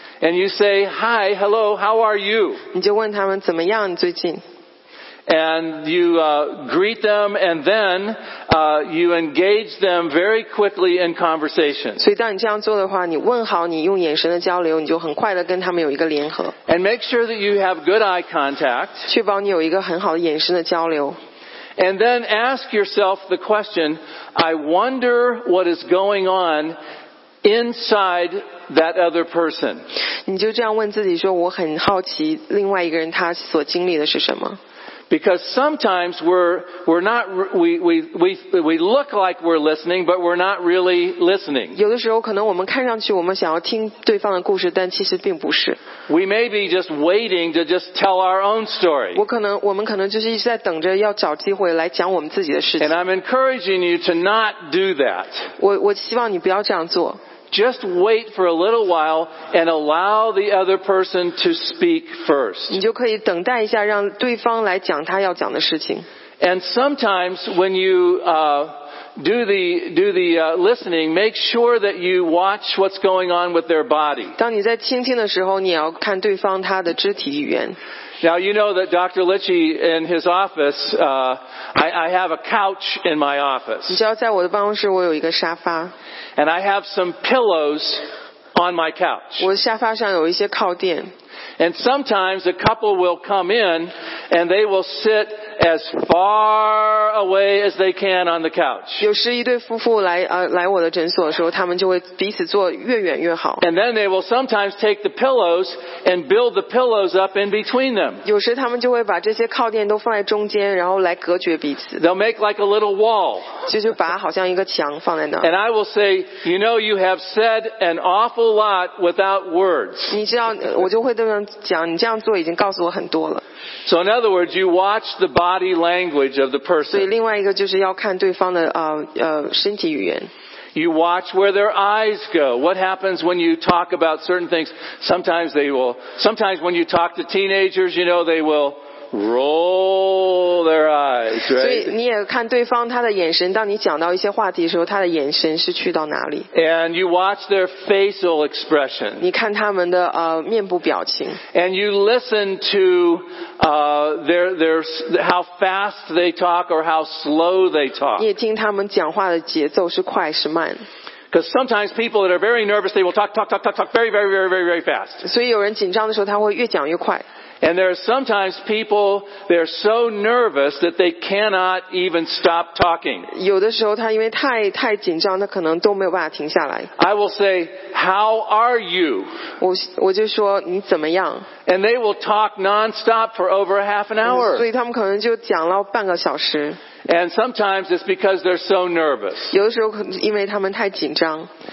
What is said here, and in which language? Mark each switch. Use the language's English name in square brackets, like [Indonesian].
[English] And you say, "Hi, hello, how are you?" [Chinese] 你就问他们怎么样最近。 [English] And you greet them, and then you engage them very quickly in conversation. [Chinese] 所以当你这样做的话，你问好，你用眼神的交流，你就很快的跟他们有一个联合。 [English] And make sure that you have good eye contact. [Chinese] 确保你有一个很好的眼神的交流。 [English] And then ask yourself the question: I wonder what is going on inside that other person. [Chinese] 你就这样问自己说：我很好奇另外一个人他所经历的是什么。 [English] Because sometimes we look like we're listening, but we're not really listening. [Chinese] 有的时候可能我们看上去我们想要听对方的故事，但其实并不是。 [English] We may be just waiting to just tell our own story. [Chinese] 我们可能就是一直在等着要找机会来讲我们自己的事情。 [English] And I'm encouraging you to not do that. [Chinese] 我希望你不要这样做。 [English] Just wait for a little while and allow the other person to speak first. [Chinese] 你就可以等待一下，让对方来讲他要讲的事情。 [English] And sometimes when you listening, make sure that you watch what's going on with their body. [Chinese] 当你在倾听的时候，你要看对方他的肢体语言。 [English] Now you know that Dr. Litchi in his office, I have a couch in my office. [Chinese] 你知道在我的办公室我有一个沙发。 [English] And I have some pillows on my couch. [Chinese] 我沙发上有一些靠垫。 [English] And sometimes a couple will come in and they will sit as far away as they can on the couch. [Chinese] 有时一对夫妇来我的诊所的时候，他们就会彼此坐越远越好。 [English] And then they will sometimes take the pillows and build the pillows up in between them. [Chinese] 有时他们就会把这些靠垫都放在中间，然后来隔绝彼此。 [English] They'll make like a little wall. [Chinese] 就把好像一个墙放在那。 [English] And I will say, you know, you have said an awful lot without words. [Chinese] 你知道，我就会对。 [English] So in other words, you watch the body language of the person. [Chinese] 所以另外一个就是要看对方的身体语言。 [English] You watch where their eyes go. What happens when you talk about certain things? Sometimes when you talk to teenagers, you know, they will roll their eyes, right? [Chinese] 所以你也看对方他的眼神。当你讲到一些话题的时候，他的眼神是去到哪里 [English] ？And you watch their facial expression. [Chinese] 你看他们的面部表情。 [English] And you listen to their how fast they talk or how slow they talk. [Chinese] 你也听他们讲话的节奏是快是慢。 [English] Because sometimes people that are very nervous, they will talk very, very, very, very, very fast. [Chinese] 所以有人紧张的时候，他会越讲越快。 [English] And there are sometimes people, they're so nervous that they cannot even stop talking. [Chinese] 有的时候他因为太紧张，他可能都没有办法停下来。 [English] I will say, how are you? [Chinese] 我就说你怎么样。 [English] And they will talk non-stop for over half an hour. [Chinese] 所以他们可能就讲了半个小时。 [English] And sometimes it's because they're so nervous. [Chinese] 有的时候因为他们太紧张。